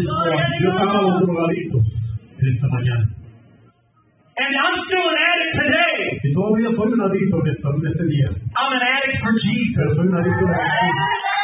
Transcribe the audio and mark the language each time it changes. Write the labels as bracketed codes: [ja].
[es] Dios ama a los drogadictos en esta mañana. [en] And I'm still an addict today. [es] Y todavía soy un adicto en este día. [en] I'm an addict for Jesus. [es] Pero soy un adicto de Jesús.